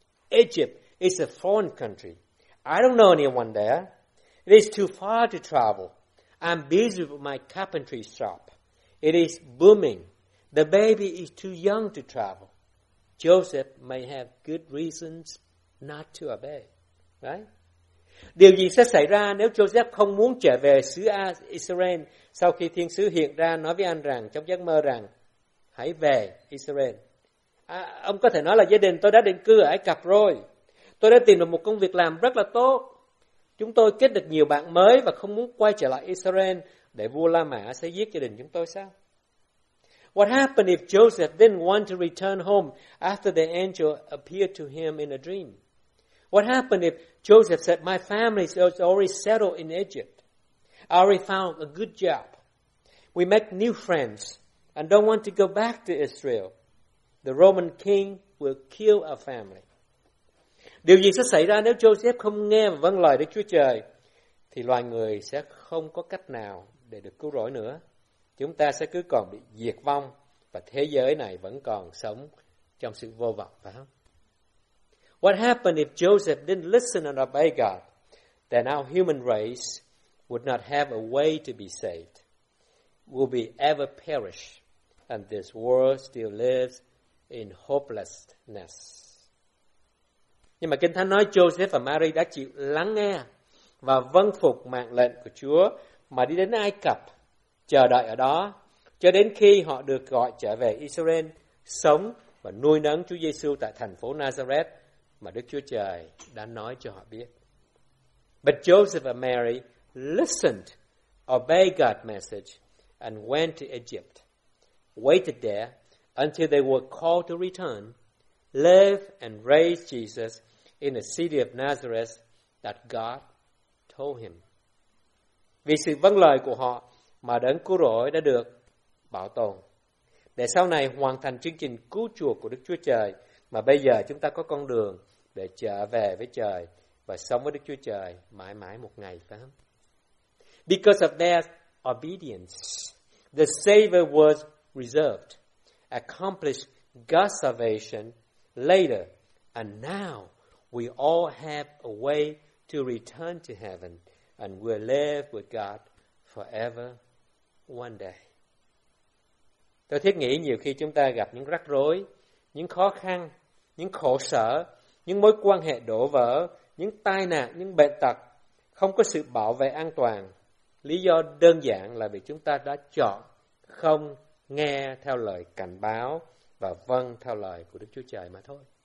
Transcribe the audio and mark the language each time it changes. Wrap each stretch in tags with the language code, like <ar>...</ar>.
<en>Egypt is a foreign country. I don't know anyone there. It is too far to travel. I'm busy with my carpentry shop. It is booming. The baby is too young to travel. Joseph may have good reasons not to obey. Right?</en> <vi>Điều gì sẽ xảy ra nếu Joseph không muốn trở về xứ Israel sau khi thiên sứ hiện ra nói với anh rằng trong giấc mơ rằng hãy về Israel. Ông có thể nói là gia đình tôi đã định cư ở Ai Cập rồi. Tôi đã tìm được một công việc làm rất là tốt. Chúng tôi kết được nhiều bạn mới và không muốn quay trở lại Israel để vua La Mã sẽ giết gia đình chúng tôi sao?</vi> <en>What happened if Joseph didn't want to return home after the angel appeared to him in a dream? What happened if Joseph said, my family is already settled in Egypt. I already found a good job. We make new friends and don't want to go back to Israel. The Roman king will kill our family.</en> <vi>Điều gì sẽ xảy ra nếu Joseph không nghe và vâng lời Đức Chúa Trời? Thì loài người sẽ không có cách nào để được cứu rỗi nữa. Chúng ta sẽ cứ còn bị diệt vong và thế giới này vẫn còn sống trong sự vô vọng, phải không?</vi> <en>What happened if Joseph didn't listen and obey God? Then our human race would not have a way to be saved. We'll be ever perish, and this world still lives in hopelessness.</en> <vi>Nhưng mà Kinh Thánh nói Joseph và Mary đã chịu lắng nghe và vâng phục mạng lệnh của Chúa mà đi đến Ai Cập, chờ đợi ở đó, cho đến khi họ được gọi trở về Israel, sống và nuôi nấng Chúa Giêsu tại thành phố Nazareth mà Đức Chúa Trời đã nói cho họ biết.</vi> <en>But Joseph and Mary listened, obeyed God's message, and went to Egypt, waited there until they were called to return, live and raise Jesus in the city of Nazareth that God told him.</en> <vi>Vì sự vâng lời của họ mà Đấng Cứu Rỗi đã được bảo tồn, để sau này hoàn thành chương trình cứu chuộc của Đức Chúa Trời, mà bây giờ chúng ta có con đường để trở về với Trời và sống với Đức Chúa Trời mãi mãi một ngày, phải không?</vi> <en>Because of their obedience, the Savior was reserved, accomplished God's salvation later, and now we all have a way to return to heaven, and we'll live with God forever one day.</en> <vi>Tôi thiết nghĩ nhiều khi chúng ta gặp những rắc rối, những khó khăn, những khổ sở, những mối quan hệ đổ vỡ, những tai nạn, những bệnh tật, không có sự bảo vệ an toàn. Lý do đơn giản là vì chúng ta đã chọn không nghe theo lời cảnh báo và vâng theo lời của Đức Chúa Trời mà thôi.</vi>